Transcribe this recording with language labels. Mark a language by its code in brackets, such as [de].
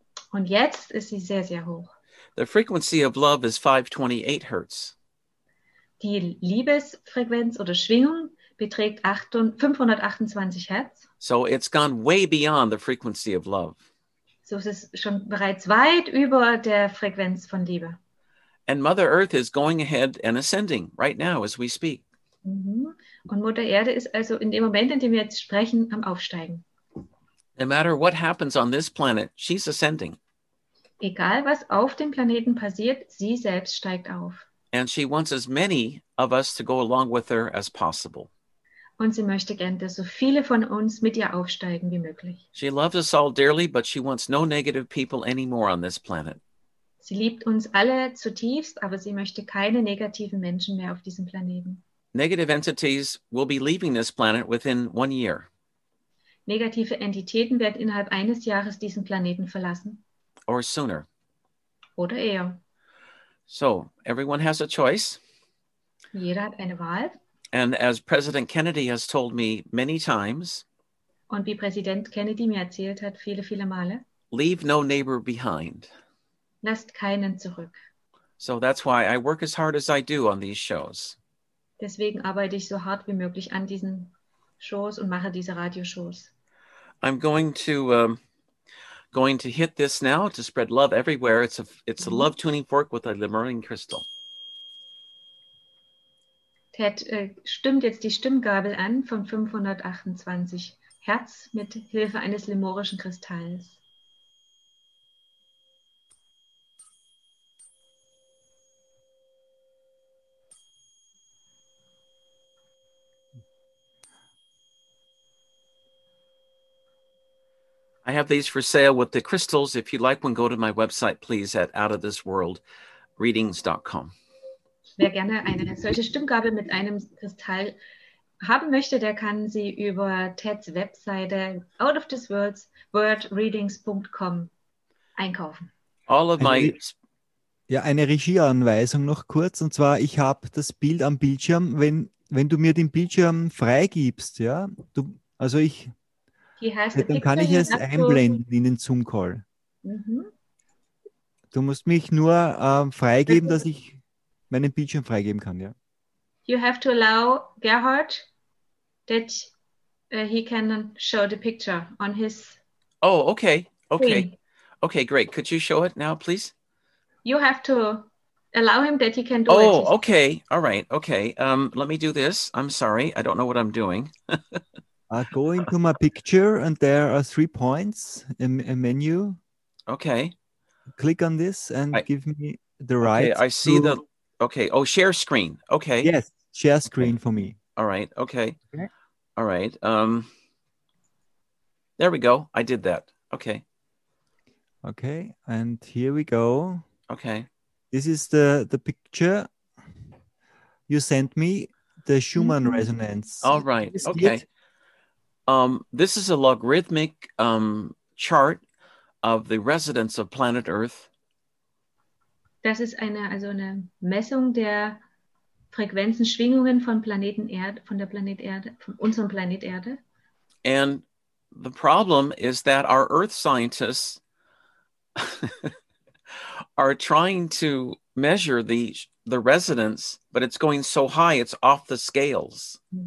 [de] Und jetzt ist sie sehr, sehr hoch. [en] The frequency of love is 528 hertz. [de] Die Liebesfrequenz oder Schwingung beträgt 528 hertz. [en] So it's gone way beyond the frequency of love. [de] So es ist schon bereits weit über der Frequenz von Liebe. [en] And Mother Earth is going ahead and ascending right now as we speak. [de] Und Mutter Erde ist also in dem Moment, in dem wir jetzt sprechen, am Aufsteigen. [en] No matter what happens on this planet, she's ascending. [de] Egal, was auf dem Planeten passiert, sie selbst steigt auf. [en] And she wants as many of us to go along with her as possible. [de] Und sie möchte gern, dass so viele von uns mit ihr aufsteigen wie möglich. [en] She loves us all dearly, but she wants no negative people anymore on this planet. [de] Sie liebt uns alle zutiefst, aber sie möchte keine negativen Menschen mehr auf diesem Planeten. [en] Negative entities will be leaving this planet within 1 year. [de] Negative Entitäten werden innerhalb eines Jahres diesen Planeten verlassen. [en] Or sooner. [de] Oder eher. [en] So, everyone has a choice. [de] Jeder hat eine Wahl. [en] And as President Kennedy has told me many times. [de] Und wie Präsident Kennedy mir erzählt hat, viele, viele Male. [en] Leave no neighbor behind. [de] Lasst keinen zurück. [en] So that's why I work as hard as I do on these shows. [de] Deswegen arbeite ich so hart wie möglich an diesen Shows und mache diese Radioshows. [en] I'm going to... going to hit this now to spread love everywhere. It's a love tuning fork with a Lemurian crystal. [de] Ted stimmt jetzt die Stimmgabel an von 528 Hertz mit Hilfe eines lemurischen Kristalls. [en] I have these for sale with the crystals. If you'd like one, go to my website, please, at outofthisworldreadings.com. [de] Wer gerne eine solche Stimmgabel mit einem Kristall haben möchte, der kann sie über Teds Webseite outofthisworldreadings.com einkaufen. [en] All of my... [de] Ja, eine Regieanweisung noch kurz. Und zwar, ich habe das Bild am Bildschirm. Wenn du mir den Bildschirm freigibst, ja, du, also ich... Ja, dann kann ich es einblenden in den Zoom-Call. Mhm. Du musst mich nur freigeben, dass ich meinen Bildschirm freigeben kann, ja. [en] You have to allow Gerhard that he can show the picture on his... Oh, okay, okay. Screen. Okay, great. Could you show it now, please? You have to allow him that he can do oh, it. Oh, okay, all right, okay. Let me do this. I'm sorry, I don't know what I'm doing. I go into my picture and there are three points in a menu. Okay. Click on this and give me the right. Okay, I see the. Okay. Oh, share screen. Okay. Yes. Share screen for me. All right. Okay. Okay. All right. There we go. I did that. Okay. Okay. And here we go. Okay. This is the picture you sent me, the Schumann resonance. All right. Okay. This is a logarithmic chart of the resonance of planet Earth. [de] Das ist eine Messung der Frequenzen, Schwingungen von Planeten Erde, von der Planet Erde, von unserem Planet Erde. [en] And the problem is that our Earth scientists are trying to measure the resonance, but it's going so high, it's off the scales.